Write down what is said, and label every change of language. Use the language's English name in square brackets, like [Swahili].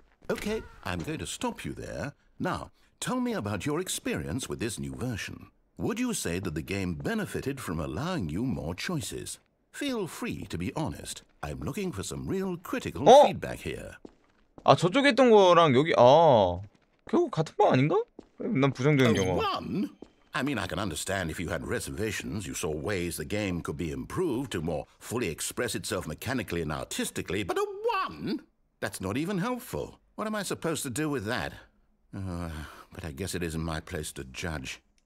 [English] Okay, I'm going to stop you there. Now, tell me about your experience with this new version. Would you say that the game benefited from allowing you more choices? Feel free to be honest. I'm looking for some real critical feedback here. [Korean] 아, 저쪽에 있던 거랑 여기 아. 결국 같은 거 아닌가? 난 부정적인 경험. [English] I mean, I can understand if you had reservations, you saw ways the game could be improved to more fully express itself mechanically and artistically, but a one? That's not even helpful. What am I supposed to do with that? But I guess it isn't my place to judge.